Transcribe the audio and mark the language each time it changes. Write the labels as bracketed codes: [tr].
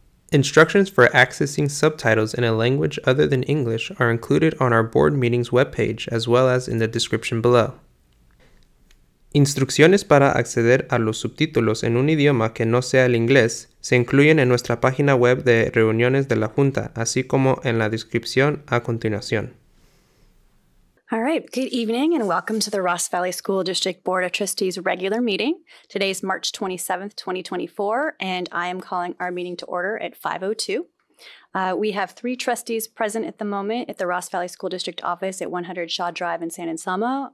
[en] Instructions for accessing subtitles in a language other than English are included on our board meetings webpage as well as in the description below. [es] Instrucciones para acceder a los subtítulos en un idioma que no sea el inglés se incluyen en nuestra página web de reuniones de la Junta, así como en la descripción a continuación. [en] All right. Good evening and welcome to the Ross Valley School District Board of Trustees regular meeting. Today is March 27th, 2024, and I am calling our meeting to order at 5:02. We have three trustees present at the moment at the Ross Valley School District office at 100 Shaw Drive in San Anselmo.